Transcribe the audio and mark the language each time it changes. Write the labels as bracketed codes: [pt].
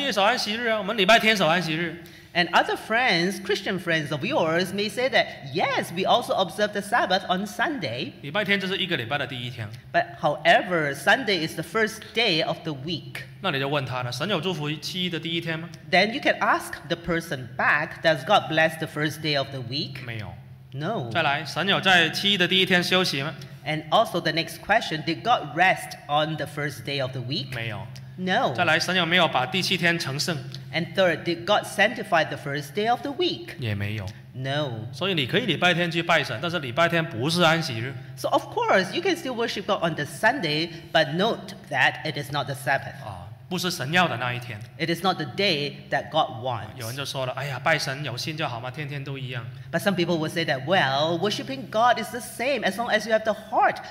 [zh] 今天其他基督徒的朋友，他也会说，我们也守安息日啊，我们礼拜天守安息日。 [en] And other friends, Christian friends of yours, may say that, yes, we also observe the Sabbath on Sunday. [zh] 礼拜天就是一个礼拜的第一天。 [en] But however, Sunday is the first day of the week. [zh] 那你就问他了，神有祝福七一的第一天吗？ [en] Then you can ask the person back, does God bless the first day of the week? [zh] 没有。 [en] No. [zh] 再来，神有在七一的第一天休息吗？ [en] And also the next question, did God rest on the first day of the week? [zh] 没有。 [en] No. [zh] 再来，神有没有把第七天成圣？ [en] And third, did God sanctify the first day of the week? [zh] 也没有。 [en] No. [zh] 所以你可以礼拜天去拜神，但是礼拜天不是安息日。 [en] So of course, you can still worship God on the Sunday, but note that it is not the Sabbath. [zh] 不是神要的那一天。 [en] It is not the day that God wants. [zh] 有人就说了，哎呀，拜神有心就好嘛，天天都一样。 [en] But some people will say that, well, worshiping God is the same as long as you have the heart.